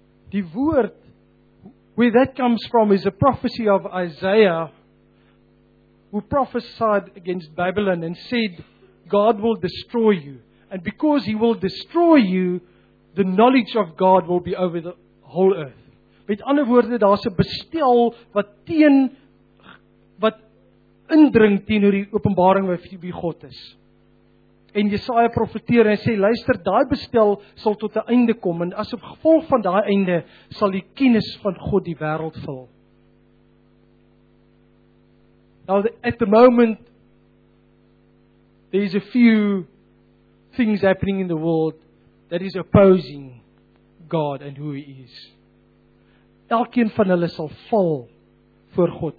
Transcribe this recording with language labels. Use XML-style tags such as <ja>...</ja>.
<af>Die woord,</af> <en>where that comes from is a prophecy of Isaiah, who prophesied against Babylon and said, God will destroy you. And because he will destroy you, the knowledge of God will be over the whole earth.</en> <af>Met ander woorde, daar's 'n bestel wat indring teenoor die openbaring wie God is. En Jesaja profeteer en sê, luister, daai bestel sal tot 'n einde kom, en as op gevolg van daai einde sal die kennis van God die wêreld vul.</af> <en>Now, at the moment, there is a few things happening in the world that is opposing God and who He is.</en> <af>Elkeen van hulle sal val voor God.</af>